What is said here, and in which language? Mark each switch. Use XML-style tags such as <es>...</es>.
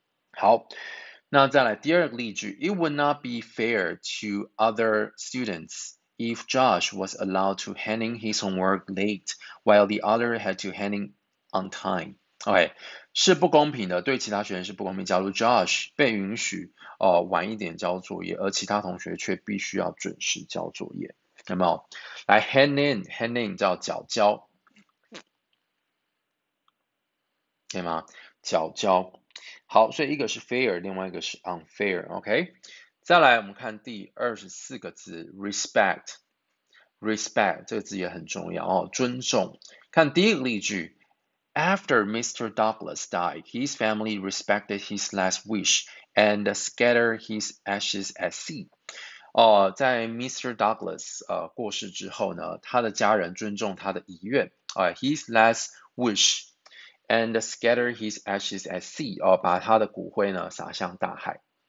<zh>好，那再来第二个例句</zh> <en>，It would not be fair to other students if Josh was allowed to hand in his homework late while the other had to hand in on time. Okay.</en> <zh>是不公平的，对其他学生是不公平。假如 Josh 被允许晚一点交作业，而其他同学却必须要准时交作业，有没有？来 hand in 叫缴交，对吗？缴交。好，所以一个是 fair， 另外一个是 unfair。OK， 再来我们看第24个字 respect 这个字也很重要哦，尊重。</zh> <en>看第一个例句。After Mr. Douglas died, his family respected his last wish and scattered his ashes at sea.</en> <zh>在</zh> <en>Mr.</en> <zh>Douglas 过世之后呢，他的家人尊重他的遗愿。</zh> <en>His last wish and scattered his ashes at sea.</en> <zh>把他的骨灰呢撒向大海。</zh>